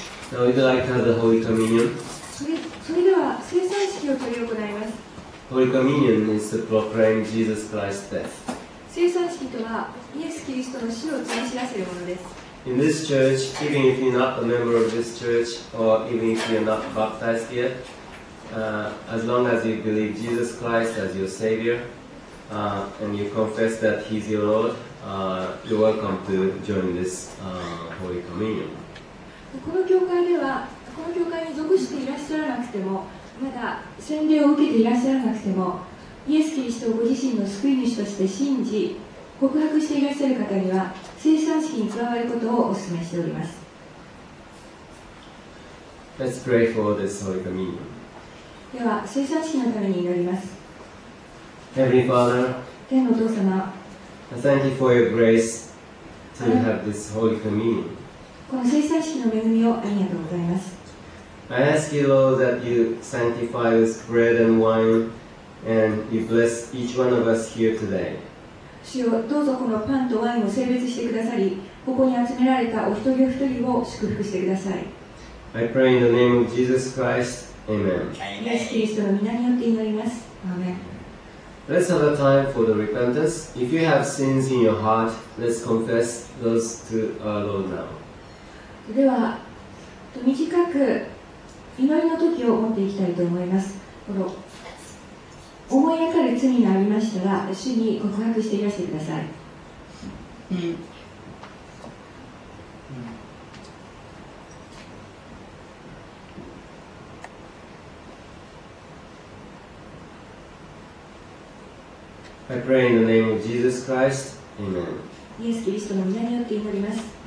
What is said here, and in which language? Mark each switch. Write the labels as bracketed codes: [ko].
[ja] ではいただいたので、ホーリーコミニオン。それでは、聖餐式を執り行います。 [en] ホーリーコミニオン is to proclaim Jesus Christ's death. [ja] 聖餐式とは、イエス・キリストの死を告げ知らせるものです。 [en] In this church, even if you're not a member of this church, or even if you're not baptized yet, as long as you believe Jesus Christ as your Savior, and you confess that He's your Lord, you're welcome to join this Holy Communion. [ja] この教会では、この教会に属していらっしゃらなくても、まだ洗礼を受けていらっしゃらなくても、イエス・キリストをご自身の救い主として信じ、告白していらっしゃる方には、聖餐式に加わることをお勧めしております。 [en] Let's pray for this Holy Communion. [ja] では、聖餐式のために祈ります。 [en] Heavenly Father, [ja] 天のお父様、 [en] I thank you for your grace to have this Holy Communion. [ja] この聖餐式の恵みをありがとうございます。 [en] I ask you, Lord, that you sanctify this bread and wine and you bless each one of us here today. [ja] 主よ、どうぞこのパンとワインを聖別してくださり、ここに集められたお一人お一人を祝福してください。 [en] I pray in the name of Jesus Christ. Amen. [ja] イエス・キリストの名によって祈ります。アーメン。 [en] Let's have a time for the repentance. If you have sins in your heart, let's confess those to our Lord now. [ja] では、短く祈りの時を持っていきたいと思います。この思い当たる罪がありましたら、主に告白していらしてください。 [en] I pray in the name of Jesus Christ. Amen. [ja] イエス・キリストの名によって祈ります。